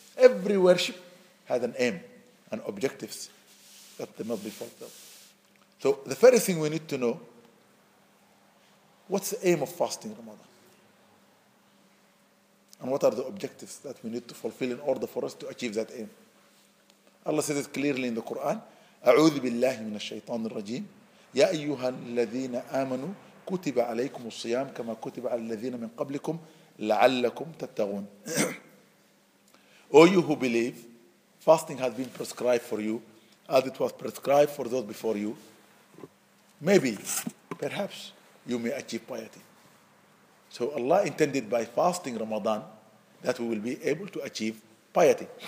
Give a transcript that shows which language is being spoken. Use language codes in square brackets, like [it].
[en] Every worship had an aim and objectives that they must be fulfilled. So the first thing we need to know, what's the aim of fasting Ramadan? And what are the objectives that we need to fulfill in order for us to achieve that aim? Allah says it clearly in the Quran, [ar] أعوذ بالله من الشيطان الرجيم يا أيها الذين آمنوا كتب عليكم الصيام كما كتب على الذين من قبلكم لعلكم تتقون. [en] O you who believe, fasting has been prescribed for you as it was prescribed for those before you. Maybe, perhaps, you may achieve piety. So Allah intended by fasting Ramadan that we will be able to achieve piety.